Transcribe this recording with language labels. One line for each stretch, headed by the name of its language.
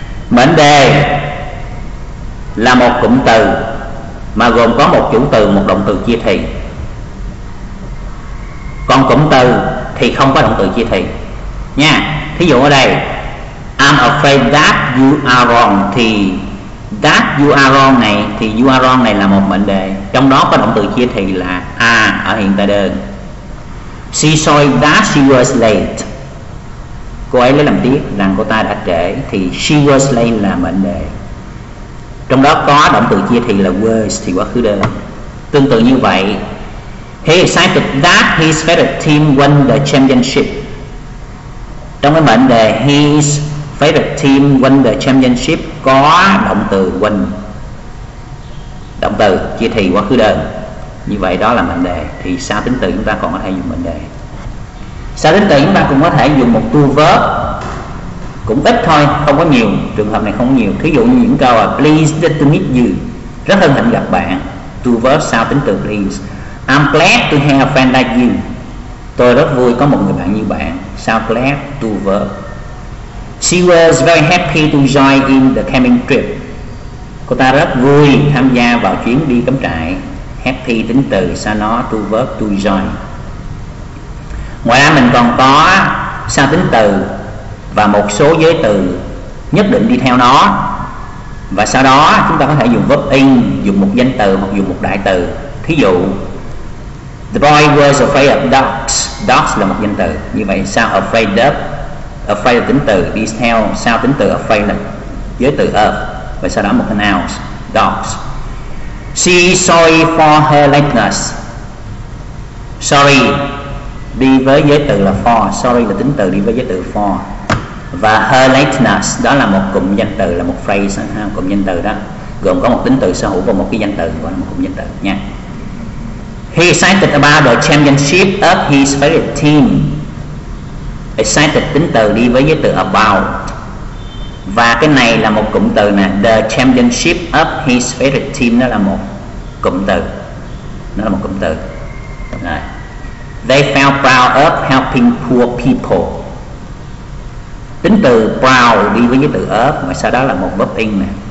Vietnamese: Mệnh đề là một cụm từ mà gồm có một chủ từ, một động từ chia thì. Còn cụm từ thì không có động từ chia thì nha. Thí dụ ở đây,
English: I'm afraid that you are wrong.
Vietnamese: Thì
English: that you are wrong
Vietnamese: này, thì you are wrong này là một mệnh đề, trong đó có động từ chia thì là a ở hiện tại đơn.
English: She saw that she was late.
Vietnamese: Cô ấy lấy làm tiếc rằng cô ta đã trễ. Thì she was late là mệnh đề, trong đó có động từ chia thì là was, thì quá khứ đơn. Tương tự như vậy,
English: he excited that his favorite team won the championship.
Vietnamese: Trong cái mệnh đề
English: his favorite team won the championship
Vietnamese: có động từ win, động từ chia thì quá khứ đơn. Như vậy đó là mệnh đề. Thì sau tính từ chúng ta còn có thể dùng mệnh đề. Sau tính từ chúng ta cũng có thể dùng một to verb, cũng ít thôi, không có nhiều. Trường hợp này không nhiều. Thí dụ như những câu là
English: please to meet you,
Vietnamese: rất hân hạnh gặp bạn. To verb sau tính từ please.
English: I'm glad to have a friend like you.
Vietnamese: Tôi rất vui có một người bạn như bạn.
English: Sao glad to verb. She was very happy to join in the camping trip.
Vietnamese: Cô ta rất vui tham gia vào chuyến đi cắm trại. Happy tính từ, sao nó to verb to join. Ngoài ra mình còn có sao tính từ và một số giới từ nhất định đi theo nó. Và sau đó chúng ta có thể dùng verb in, dùng một danh từ hoặc dùng một đại từ. Thí dụ,
English: the boy was afraid of dogs.
Vietnamese: Dogs là một danh từ. Như vậy sao afraid of, afraid là tính từ, đi theo sao tính từ afraid là giới từ of, và sau đó một cái noun, dogs.
English: She sorry for her lateness. Sorry
Vietnamese: đi với giới từ là
English: for.
Vietnamese: Sorry là tính từ đi với giới từ for. Và her lateness đó là một cụm danh từ, là một phrase, ha, cụm danh từ đó gồm có một tính từ sở hữu và một cái danh từ, gọi là một cụm danh từ nha.
English: He excited about the championship of his favorite team.
Vietnamese: Excited tính từ đi với giới từ about. Và cái này là một cụm từ nè.
English: The championship of his favorite team,
Vietnamese: nó là một cụm từ, nó là một cụm từ. Rồi.
English: They felt proud of helping poor people.
Vietnamese: Tính từ proud đi với giới từ of, và sau đó là một verb in nè.